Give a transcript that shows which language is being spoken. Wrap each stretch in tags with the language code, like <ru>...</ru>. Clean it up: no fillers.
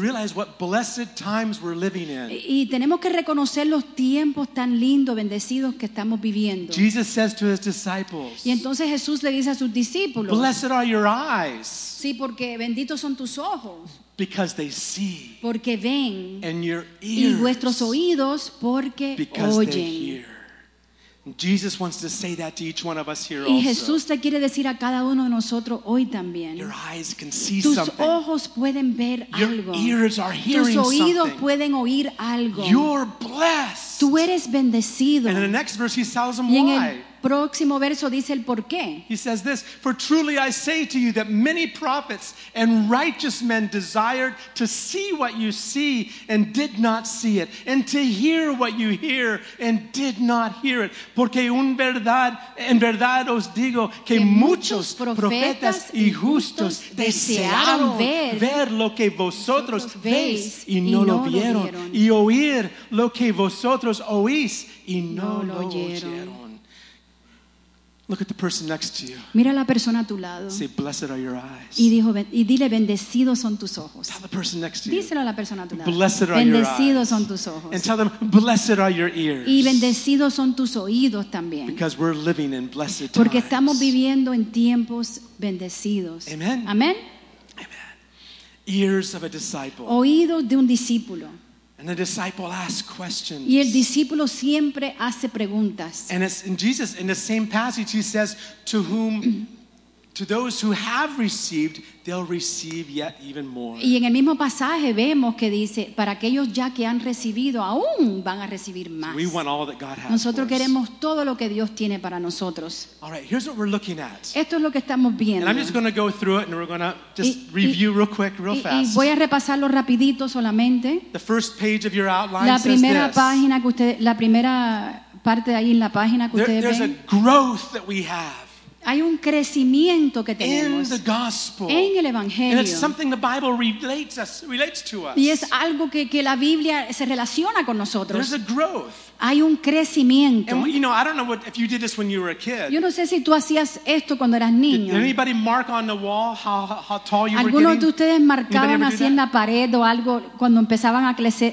<en>Realize what blessed times we're living in.</en> <es>Y tenemos que reconocer los tiempos tan lindos, bendecidos que estamos viviendo.</es> <en>Jesus says to his disciples.</en> <es>Y entonces Jesús le dice a sus discípulos.</es> <en>Blessed are your eyes.</en> <es>Sí, porque benditos son tus ojos.</es> <en>Because they see.</en> <es>Porque ven.</es> <en>And your ears.</en> <es>Y vuestros oídos porque</es> <en>because</en> <es>oyen.</es> <en>They hear. Jesus wants to say that to each one of us here also.</en> <es>Y Jesús te quiere decir a cada uno de nosotros hoy también.</es> <en>Your eyes can see</en> <es>tus</es> <en>something.</en> <es>Tus ojos pueden ver</es> <en>your</en> <es>algo.</es> <en>Your ears are hearing</en> <es>tus oídos</es> <en>something.</en> <es>Pueden oír algo.</es> <en>You're blessed.</en> <es>Tú eres bendecido.</es> <en>And in the next verse he tells them</en> <es>y en</es> <en>why.</en> <es>El próximo verso dice el por qué.</es> <en>He says this: For truly I say to you that many prophets and righteous men desired to see what you see and did not see it, and to hear what you hear and did not hear it.</en> <es>Porque en verdad os digo que muchos profetas y justos desearon ver lo que vosotros veis y no lo vieron, y oír lo que vosotros oís y no lo oyeron.</es> <en>Look at the person next to you.</en> <es>Mira la persona a tu lado.</es> <en>Say, blessed are your eyes.</en> <es>Y dile, bendecidos son tus ojos.</es> <en>Tell the person next to you.</en> <es>Díselo a la persona a tu lado.</es> <en>Blessed are</en> <es>bendecidos</es> <en>your eyes.</en> <es>Bendecidos son tus ojos.</es> <en>And tell them, blessed are your ears.</en> <es>Y bendecidos son tus oídos también.</es> <en>Because we're living in blessed times.</en> <es>Porque estamos viviendo en tiempos bendecidos.</es> <en>Amen.</en> <es>Amen.</es> <en>Amen. Ears of a disciple.</en> <es>Oídos de un discípulo.</es> <en>And the disciple asks questions.</en> <es>Y el discípulo siempre hace preguntas.</es> <en>And it's in Jesus, in the same passage, he says, to whom, to those who have received, they'll receive yet even more.</en> <es>Y en el mismo pasaje vemos que dice, para aquellos ya que han recibido, aún van a recibir más.</es> <en>So we want all that God has</en> <es>nosotros</es> <en>for</en> <es>queremos</es> <en>us.</en> <es>Todo lo que Dios tiene para nosotros.</es> <en>All right, here's what we're looking at.</en> <es>Esto es lo que estamos viendo.</es> <en>And I'm just going to go through it, and we're going to just review real quick, real fast.</en> <es>Y voy a repasarlo rapidito solamente.</es> <en>The first page of your outline says this.</en> <es>La primera parte de ahí en la página que ustedes ven.</es> <en>There's a growth that we have.</en> <es>Hay un crecimiento que tenemos en el Evangelio.</es> <en>And it's something the Bible relates to us.</en> <es>Y es algo que la Biblia se relaciona con nosotros.</es> <en>There's a growth.</en> <es>Hay un crecimiento.</es> <en>And, you know, I don't know what, if you did this when you were a kid.</en> <es>Yo no sé si tú hacías esto cuando eras niño.</es> <en>Did anybody mark on the wall how tall you were getting?</en> <es>¿Algunos de ustedes marcaban así en la pared o algo cuando empezaban a crecer</es>